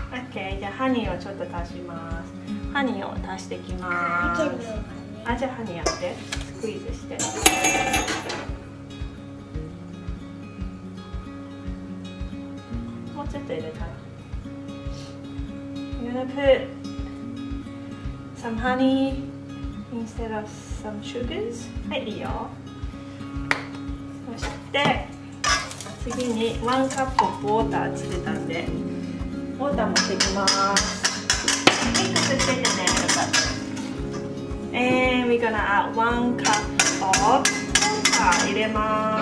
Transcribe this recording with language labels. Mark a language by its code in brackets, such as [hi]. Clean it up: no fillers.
[ja] OK、 じゃあハニーをちょっと足します。ハニーを足してきます。あ、じゃあハニーやって、クイズして。もうちょっと入れたら。 [en] You're gonna put some honey instead of some sugars? [ja] はい、いいよ。そして、次に1カップウォーターつけたんで、ウォーター持ってきます。はい、くっつけてね。 [en] And we're gonna add 1 cup of water. [ja] 入れます。